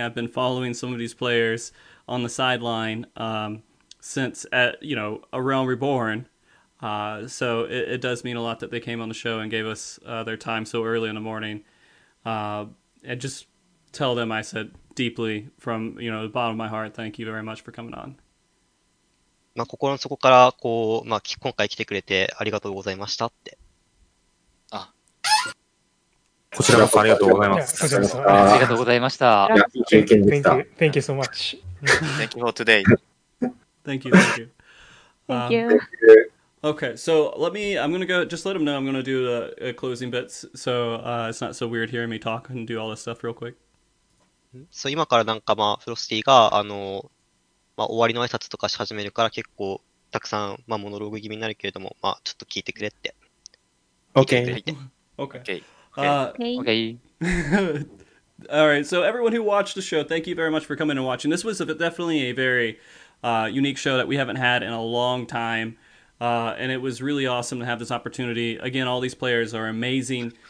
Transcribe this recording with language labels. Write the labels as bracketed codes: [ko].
[en] I've been following some of these players on the sideline since, A Realm Reborn. So it does mean a lot that they came on the show and gave us their time so early in the morning. And just tell them I said deeply from, the bottom of my heart, thank you very much for coming on. [ja] まあ、心の底からこう、まあ、今回来てくれてありがとうございましたって。あ、こちらこそありがとうございます。ありがとうございました。いや、いい経験でした。 [en] Thank you so much. Thank you for today. Thank you. Okay, so I'm going to go, just let them know I'm going to do the closing bits, so it's not so weird hearing me talk and do all this stuff real quick. [ja] そう、今からなんかまあ、フロスティが、まあ、終わりの挨拶とかし始めるから結構たくさん、まあ、モノローグ気味になるけれども、まあ、ちょっと聞いてくれって。 [en] Okay. All right, so everyone who watched the show, thank you very much for coming and watching. This was definitely a very unique show that we haven't had in a long time. And it was really awesome to have this opportunity. Again, all these players are amazing.